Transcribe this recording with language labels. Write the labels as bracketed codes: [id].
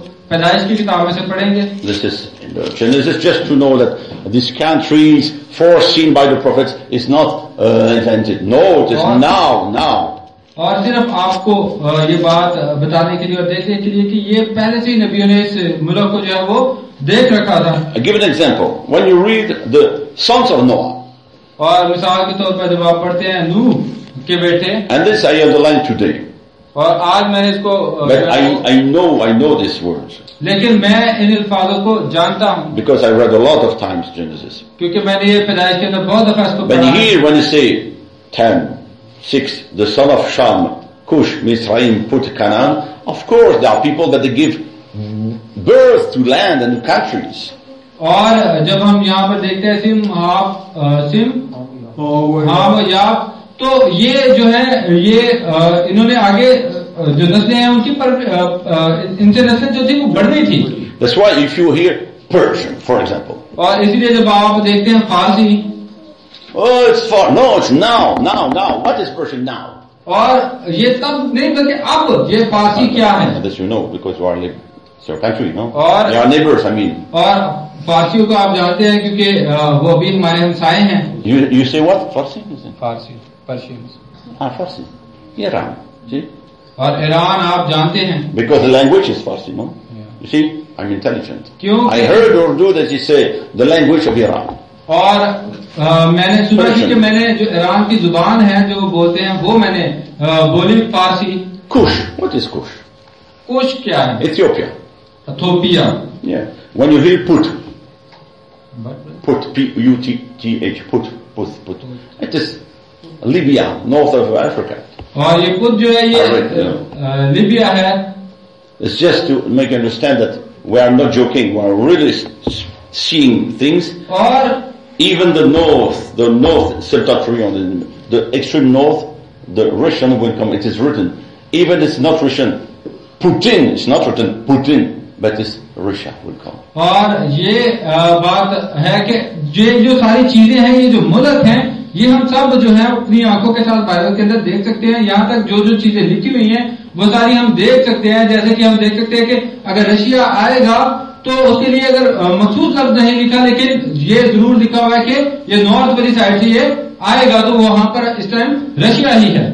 [en] This is in the Genesis, just to know that these countries foreseen by the prophets is not invented. No, it is now. [hi] और सिर्फ आपको ये बात बताने के लिए और देखने के लिए कि ये पहले से ही नबियों ने इस मुल्क को जो है वो देख रखा था. [en] I give an example. When you read the sons of Noah. [hi] और मिसाल के तौर पर जब आप पढ़ते हैं नूह के बेटे. [en] And this I underline today. [hi] और आज मैंने इसको. [en] But I know these words. [hi] लेकिन मैं इन अल्फाजों को जानता हूँ. [en] Because I read a lot of times Genesis. [hi] क्योंकि मैंने ये पैदाइश के अंदर बहुत दफा इसको पढ़ा. [en] But here when you say 10. 6, the son of Sham, Cush, Mizraim, put Canaan. Of course, there are people that they give birth to land and countries. [hi] और जब हम यहाँ पर देखते हैं सिम आप सिम आप या तो ये जो है ये इन्होंने आगे जो नस्लें हैं उनकी पर इनसे नस्लें जो थी वो बढ़ रही थी. [en] That's why if you hear Persian, for example. [hi] और इसीलिए जब आप देखते हैं फारसी. [en] Oh, it's far. No, it's now, now, now. What is Persian now? [hi] और ये तब नहीं बल्कि अब ये फारसी क्या है? [en] This you know because you are living. Your country, no? [hi] और [en] they are neighbors, I mean. [hi] और फारसियों को आप जानते हैं क्योंकि वो अभी हमारे हमसाए हैं. [en] You say what? Farsi? Farsi, Persians. [hi] हाँ, Farsi. Iran, [en] see? [hi] और ईरान आप जानते हैं. [en] Because the language is Farsi, no? Yeah. You see, I'm intelligent. [hi] क्यों? [en] I heard Urdu that you say the language of Iran. [hi] और मैंने सुना कि मैंने जो ईरान की जुबान है जो बोलते हैं वो मैंने बोली फारसी. [en] Kush, what is Kush? [hi] Kush क्या है? [en] Ethiopia. Ethiopia. Yeah. When you hear put, P-U-T-T-H, put. It is Libya, north of Africa. [hi] और ये put जो है ये Libya है. [en] It's just to make you understand that we are not joking, we are really seeing things. [hi] और [en] even the north, Septentrion, the extreme north, the Russian will come, it is written. Even it's not Russian, Putin, it's not written Putin. But this Russia will come. [hi] और ये बात है कि ये जो सारी चीजें हैं ये जो मुल्क हैं ये हम सब जो है अपनी आंखों के साथ बाइबल के अंदर देख सकते हैं. यहाँ तक जो जो चीजें लिखी हुई हैं वो सारी हम देख सकते हैं. जैसे कि हम देख सकते हैं कि अगर रशिया आएगा तो उसके लिए अगर मखसूस लफ्ज नहीं लिखा लेकिन ये जरूर लिखा हुआ है कि ये नॉर्थ वाली साइड से ये आएगा तो वहां पर इस टाइम रशिया ही है.